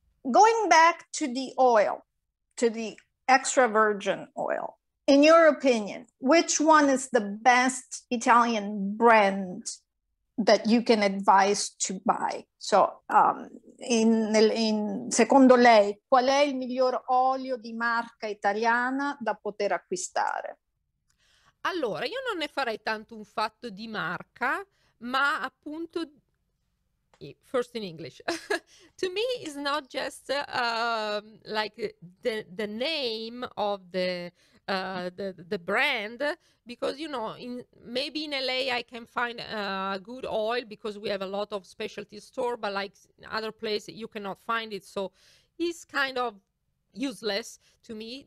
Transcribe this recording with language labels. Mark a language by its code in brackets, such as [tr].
[en] Going back to the oil, to the extra virgin oil, in your opinion, which one is the best Italian brand that you can advise to buy? [it] So in secondo lei, qual è il miglior olio di marca italiana da poter acquistare? Allora, io non ne farei tanto un fatto di marca, ma appunto, [en] first in English, to me it's not just like the name of the brand, because you know, in maybe in LA I can find good oil because we have a lot of specialty store, but like in other places you cannot find it, so it's kind of useless to me.